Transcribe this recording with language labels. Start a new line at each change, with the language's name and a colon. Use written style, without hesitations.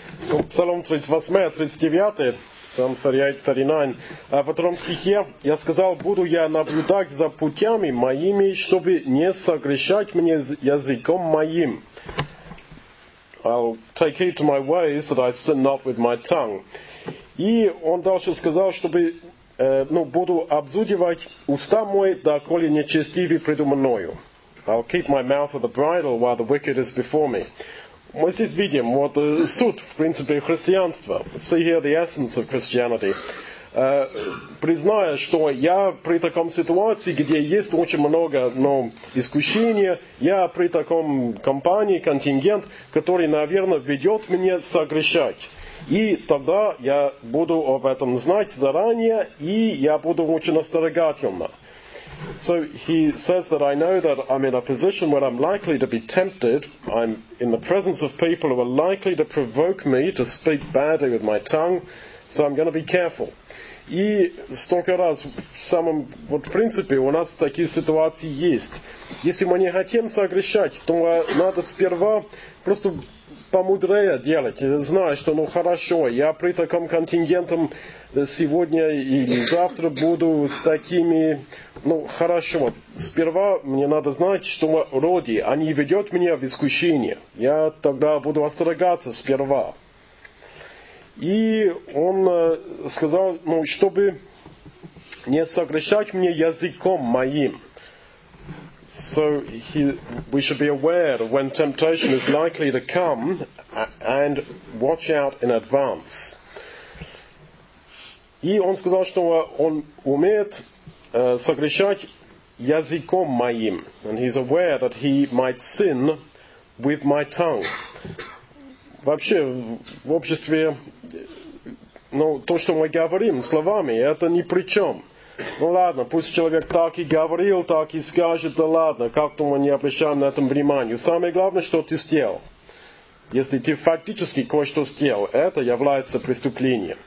Russian: Ну, Псалом 38, 39, Псалом 39, в этом стихе я сказал, буду я наблюдать за путями моими, чтобы не согрешать мне языком моим.
English: I'll take heed to my ways that I sin not with my tongue.
Russian: И он дальше сказал, чтобы, ну, буду обзудивать уста мои, доколе нечестивый предо мною.
English: I'll keep my mouth at the bridle while the wicked is before me.
Russian: Мы здесь видим вот суть, в принципе, христианства.
English: See here the essence of Christianity.
Russian: Признаю, что я при таком ситуации, где есть очень много, ну, искушения, я при таком компании, контингент, который, наверное, ведет меня согрешать. И тогда я буду об этом знать заранее, и я буду очень осторожно.
English: So he says that I know that I'm in a position where I'm likely to be tempted. I'm in the presence of people who are likely to provoke me to speak badly with my tongue. So I'm going to be careful.
Russian: И столько раз в самом вот принципе у нас такие ситуации есть. Если мы не хотим согрешать, то надо сперва просто помудрее делать. Знаю, что ну хорошо, я при таком контингентом сегодня или завтра буду с такими, ну хорошо. Сперва мне надо знать, что вроде они ведут меня в искушение. Я тогда буду остерегаться сперва. И он сказал, ну, чтобы не согрешать мне языком моим.
English: So he, we should be aware of when temptation is likely to come and watch out in advance.
Russian: И он сказал, что он умеет согрешать языком моим.
English: And he's aware that he might sin with my tongue.
Russian: Вообще, в обществе, ну, то, что мы говорим словами, это ни при чем. Ну ладно, пусть человек так и говорил, так и скажет, да ладно, как-то мы не обращаем на этом внимания. Самое главное, что ты сделал. Если ты фактически кое-что сделал, это является преступлением.